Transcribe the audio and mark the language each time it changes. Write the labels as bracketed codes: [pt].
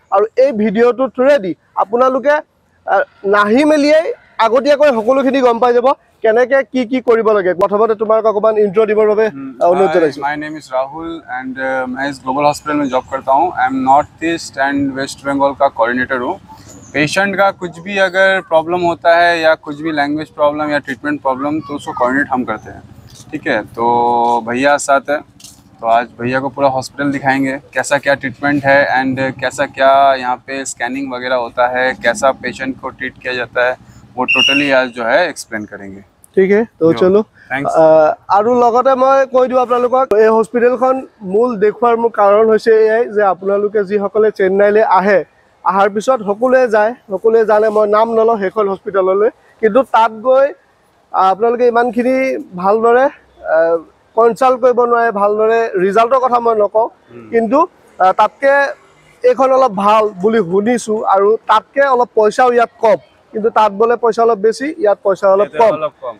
[as] আৰু এই ভিডিঅ'টোৰ থ্ৰুৱেদি আপোনালোকে নাহি মেলিয়েই আগতীয়াকৈ সকলোখিনি গম পাই যাব কেনেকৈ কি কি কৰিব লাগে। প্ৰথমতে তোমাক অকণমান ইণ্ট্ৰ' দিবৰ বাবে অনুৰোধ জনাইছোঁ। [en] my name is Rahul and [as] মই গ্লোবেল হস্পিটেলত জব কৰোঁ। [en] I am North East and West Bengal কা coordinator হুঁ। [hi] पेशेंट का कुछ भी अगर प्रॉब्लम होता है या कुछ भी लैंग्वेज प्रॉब्लम या ट्रीटमेंट प्रॉब्लम, तो उसको कोऑर्डिनेट हम करते हैं। ठीक है, तो भैया साथ है, तो आज भैया को पूरा हॉस्पिटल दिखाएंगे, कैसा क्या ट्रीटमेंट है एंड कैसा क्या यहाँ पे स्कैनिंग वगैरह होता है, कैसा पेशेंट को ट्रीट किया जाता है, वो टोटली आज जो है एक्सप्लेन करेंगे। [as] ঠিক আছে, তো চলো। আৰু লগতে মই কৈ দিওঁ আপোনালোকক, এই হস্পিটেলখন মূল দেখুৱাৰ মোৰ কাৰণ হৈছে এয়াই যে আপোনালোকে যিসকলে চেন্নাইলৈ আহে, অহাৰ পিছত সকলোৱে যায়, সকলোৱে জানে মই নাম নলওঁ সেইখন হস্পিটেললৈ, কিন্তু তাত গৈ আপোনালোকে ইমানখিনি ভালদৰে কনচাল্ট কৰিব নোৱাৰে, ভালদৰে ৰিজাল্টৰ কথা মই নকওঁ, কিন্তু তাতকৈ এইখন অলপ ভাল বুলি শুনিছোঁ আৰু তাতকৈ অলপ পইচাও ইয়াত কম, কিন্তু তাত বোলে পইচা অলপ বেছি, ইয়াত পইচা অলপ কম।